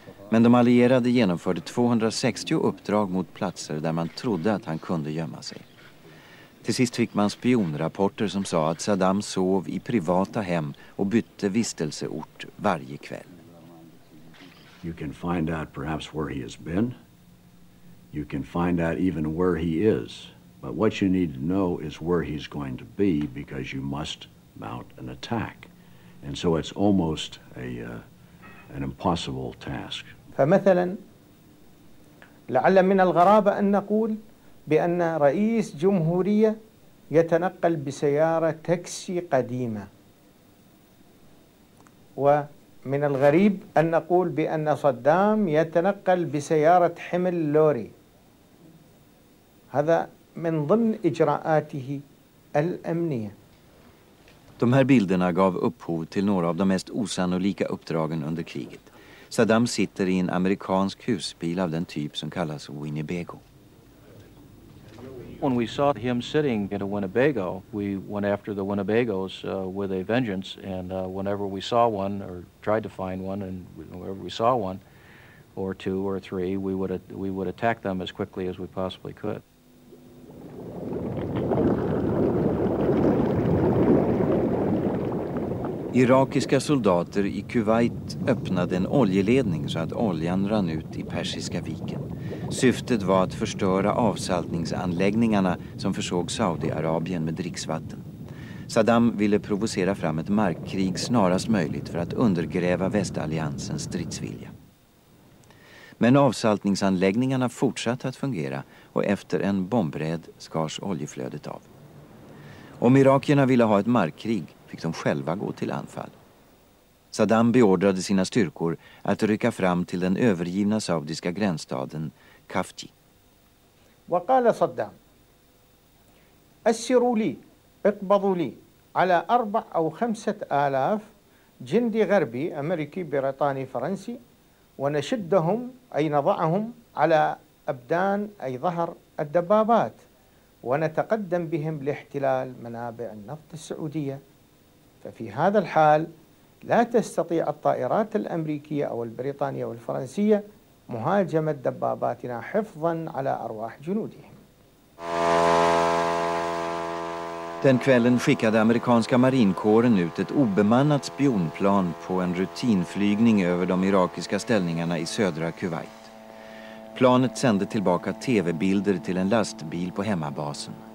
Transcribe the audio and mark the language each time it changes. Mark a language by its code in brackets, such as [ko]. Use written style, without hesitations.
[sv] Men de allierade genomförde 260 uppdrag mot platser där man trodde att han kunde gömma sig. Till sist fick man spionrapporter som sa att Saddam sov i privata hem och bytte vistelseort varje kväll. [en] You can find out perhaps where he has been. You can find out even where he is. But what you need to know is where he's going to be because you must mount an attack. And so it's almost an impossible task. [ar] فمثلا لعل من الغرابة أن نقول بأن رئيس جمهورية يتنقل بسيارة تاكسي قديمة ومن الغريب أن نقول بأن صدام يتنقل بسيارة حمل لوري هذا من ضمن إجراءاته الأمنية. [sv] De här bilderna gav upphov till några av de mest osannolika uppdragen under kriget. Saddam sitter i en amerikansk husbil av den typ som kallas Winnebago. [en] When we saw him sitting in a Winnebago, we went after the Winnebagos with a vengeance. And whenever we saw one or tried to find one, and whenever we saw one or two or three, we would attack them as quickly as we possibly could. [sv] Irakiska soldater i Kuwait öppnade en oljeledning så att oljan rann ut i Persiska viken. Syftet var att förstöra avsaltningsanläggningarna som försåg Saudi-Arabien med dricksvatten. Saddam ville provocera fram ett markkrig snarast möjligt för att undergräva västalliansens stridsvilja. Men avsaltningsanläggningarna fortsatte att fungera och efter en bombräd skars oljeflödet av. Om irakierna ville ha ett markkrig fick de själva gå till anfall. Saddam beordrade sina styrkor att rycka fram till den övergivna saudiska gränsstaden Kafji. [ar] وقال صدام أسروا لي اقبضوا لي على 4,000 أو 5,000 جندي غربي أمريكي بريطاني فرنسي ونشدهم أي نضعهم على أبدان أي ظهر الدبابات ونتقدم بهم لاحتلال منابع النفط السعودية ففي هذا الحال لا تستطيع الطائرات الأمريكية أو البريطانية أو الفرنسية مهاجمة دباباتنا حفظا على أرواح جنودهم. [sv] Den kvällen skickade amerikanska marinkåren ut ett obemannat spionplan på en rutinflygning över de irakiska ställningarna i södra Kuwait. Planet sände tillbaka tv-bilder till en lastbil på hemmabasen.